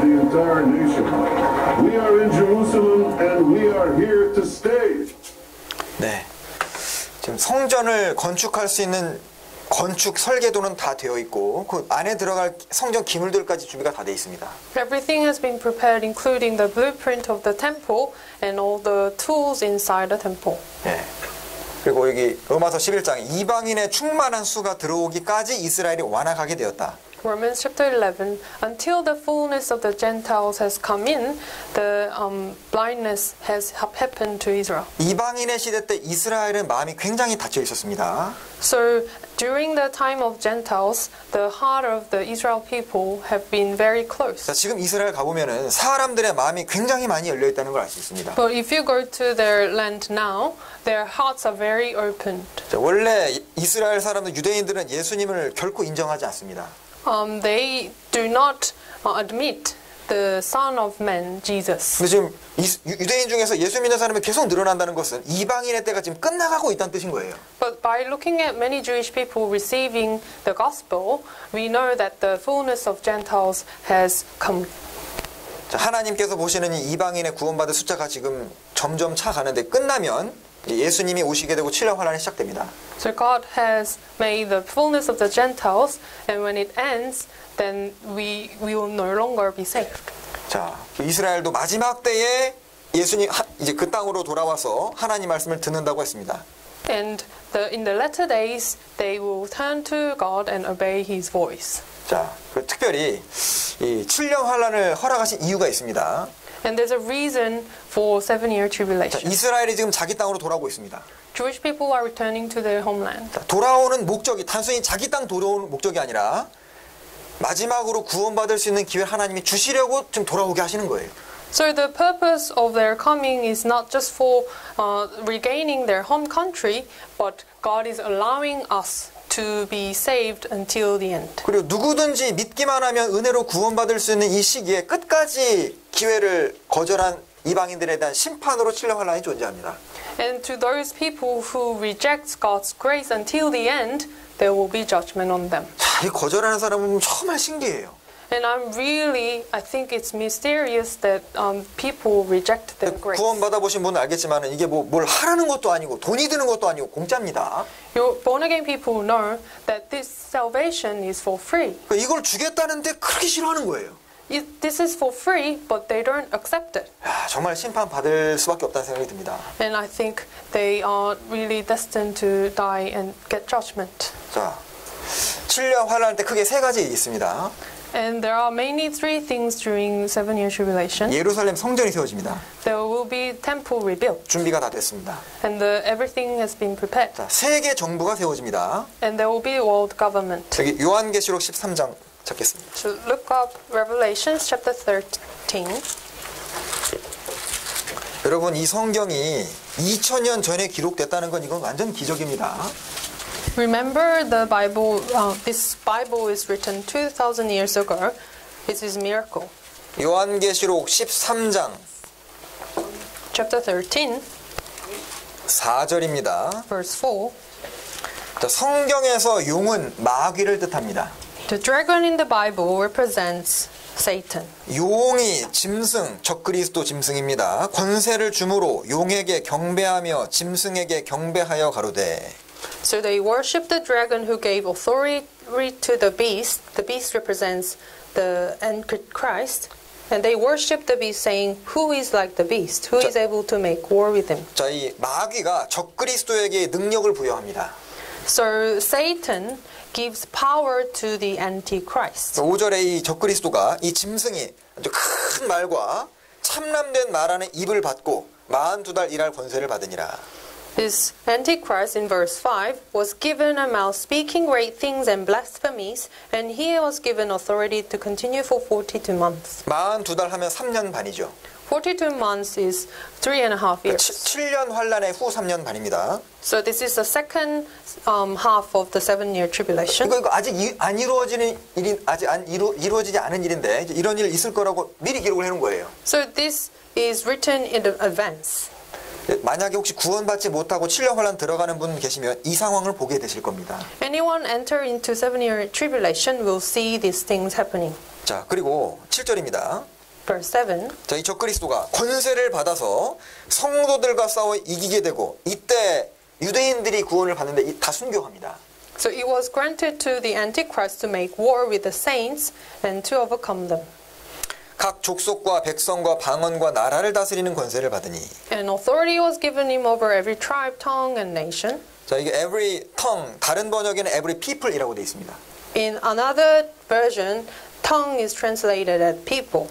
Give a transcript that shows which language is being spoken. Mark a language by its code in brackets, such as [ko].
[en] in Jerusalem and we are here to stay. [ko] 네. 지금 성전을 건축할 수 있는 건축 설계도는 다 되어 있고 그 안에 들어갈 성전 기물들까지 준비가 다 되어 있습니다. [en] Everything has been prepared including the blueprint of the temple and all the tools inside the temple. [ko] 네. 그리고 여기 로마서 11장에 이방인의 충만한 수가 들어오기까지 이스라엘이 완악하게 되었다. [en] Romans chapter 11 until the fullness of the Gentiles has come in the blindness has happened to Israel. [ko] 이방인의 시대 때 이스라엘은 마음이 굉장히 닫혀 있었습니다. [en] So during the time of Gentiles the heart of the Israel people have been very closed. [ko] 자, 지금 이스라엘 가 보면은 사람들의 마음이 굉장히 많이 열려 있다는 걸 알 수 있습니다. [en] But if you go to their land now their hearts are very opened. [ko] 자, 원래 이스라엘 사람들 유대인들은 예수님을 결코 인정하지 않습니다. [en] They do not admit the Son of Man, Jesus. [ko] 근데 지금 유대인 중에서 예수 믿는 사람이 계속 늘어난다는 것은 이방인의 때가 지금 끝나가고 있다는 뜻인 거예요. [en] But by looking at many Jewish people receiving the gospel, we know that the fullness of Gentiles has come. [ko] 자, 하나님께서 보시는 이 이방인의 구원받을 숫자가 지금 점점 차가는데 끝나면 예수님이 오시게 되고 7년 환란이 시작됩니다. [en] So God has made the fullness of the Gentiles and when it ends then we will no longer be saved. [ko] 자, 이스라엘도 마지막 때에 예수님 이제 그 땅으로 돌아와서 하나님 말씀을 듣는다고 했습니다. [en] And the, in the latter days they will turn to God and obey his voice. [ko] 자, 그 특별히 이 7년 환란을 허락하신 이유가 있습니다. [en] And there's a reason for seven-year tribulation. [ko] 자, 이스라엘이 지금 자기 땅으로 돌아오고 있습니다. [en] Jewish people are returning to their homeland. [ko] 자, 돌아오는 목적이 단순히 자기 땅 돌아오는 목적이 아니라 마지막으로 구원받을 수 있는 기회 하나님이 주시려고 지금 돌아오게 하시는 거예요. [en] So the purpose of their coming is not just for regaining their home country, but God is allowing us to be saved until the end. [ko] 그리고 누구든지 믿기만 하면 은혜로 구원받을 수 있는 이 시기에 끝까지 기회를 거절한 이방인들에 대한 심판으로 7년 환란이 존재합니다. [en] And to those people who reject God's grace until the end, there will be judgment on them. [ko] 자, 이 거절하는 사람은 정말 신기해요. [en] And I'm really, I think it's mysterious that people reject their grace. [ko] 구원 받아보신 분은 알겠지만 이게 뭐 뭘 하라는 것도 아니고 돈이 드는 것도 아니고 공짜입니다. [en] Your born again people know that this salvation is for free. [ko] 그러니까 이걸 주겠다는데 그렇게 싫어하는 거예요. [en] This is for free, but they don't accept it. [ko] 야, 정말 심판 받을 수밖에 없다는 생각이 듭니다. [en] And I think they are really destined to die and get judgment. [ko] 자, 7년 환란 때 크게 세 가지 있습니다. [en] And there are mainly three things during seven-year tribulation. [ko] 예루살렘 성전이 세워집니다. [en] There will be temple rebuilt. [ko] 준비가 다 됐습니다. [en] And the, everything has been prepared. [ko] 자, 세계 정부가 세워집니다. [en] And there will be world government. [ko] 여기 요한계시록 13장 찾겠습니다. [en] So look up Revelation chapter 13. [ko] 여러분 이 성경이 2000년 전에 기록됐다는 건 이건 완전 기적입니다. [en] Remember the Bible, this Bible is written 2000 years ago. This is a miracle. [ko] 요한계시록 13장 [en] chapter 13 [ko] 4절입니다. [en] Verse 4. [ko] 자, 성경에서 용은 마귀를 뜻합니다. [en] The dragon in the Bible represents Satan. [ko] 용이 짐승, 적그리스도 짐승입니다. 권세를 주므로 용에게 경배하며 짐승에게 경배하여 가로되 [en] So they worship the dragon who gave authority to the beast. The beast represents the Antichrist. And they worship the beast saying, who is like the beast? Who is able to make war with him? [ko] 자, 이 마귀가 적그리스도에게 능력을 부여합니다. [en] So Satan gives power to the Antichrist. [ko] 5절에 이 적그리스도가 이 짐승이 아주 큰 말과 참람된 말 안에 입을 받고 42달 일할 권세를 받으니라. [en] This Antichrist in verse 5 was given a mouth speaking great things and blasphemies and he was given authority to continue for 42 months. [ko] 42달 하면 3년 반이죠. [en] 42 months is 3.5 years. [ko] 그러니까 7년 환란의 후 3년 반입니다. [en] So this is the second half of the 7-year tribulation. [ko] 이거 아직 안 이루어지는 일이 아직 안 이루어지지 않은 일인데 이런 일 있을 거라고 미리 기록을 해 놓은 거예요. [en] So this is written in advance. [ko] 만약에 혹시 구원받지 못하고 7년 환란 들어가는 분 계시면 이 상황을 보게 되실 겁니다. [en] Anyone enter into seven-year tribulation will see these things happening. [ko] 자, 그리고 7절입니다. [en] Verse 7. [ko] 자, 이 적그리스도가 권세를 받아서 성도들과 싸워 이기게 되고 이때 유대인들이 구원을 받는데 다 순교합니다. [en] So it was granted to the Antichrist to make war with the saints and to overcome them. [ko] 각 족속과 백성과 방언과 나라를 다스리는 권세를 받으니. [en] And authority was given him over every tribe, tongue, and nation. [ko] 자, 이게 [en] every tongue, [ko] 다른 번역에는 [en] every people [ko] 이라고 되어 있습니다. [en] In another version, tongue is translated as people.